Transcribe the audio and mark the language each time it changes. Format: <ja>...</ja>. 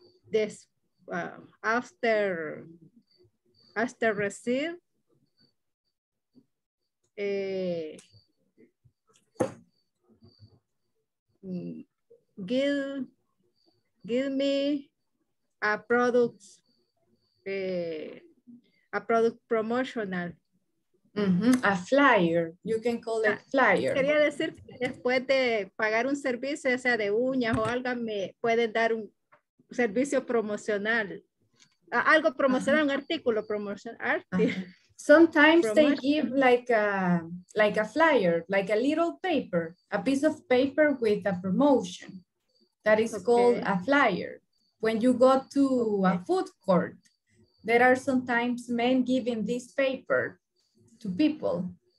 <en>this after receive give me a product promotional. Mm-hmm. A flyer, you can call it flyer.</en> <es>Quería decir que después de pagar un servicio, sea de uñas o algo, me pueden dar un servicio promocional. Algo promocional, uh-huh. Un artículo promocional. Uh-huh.</es> <en>Sometimes promotional. They give like a flyer, like a little paper, a piece of paper with a promotion. That is called a flyer. When you go to a food court, there are sometimes men giving this paper to people.</en>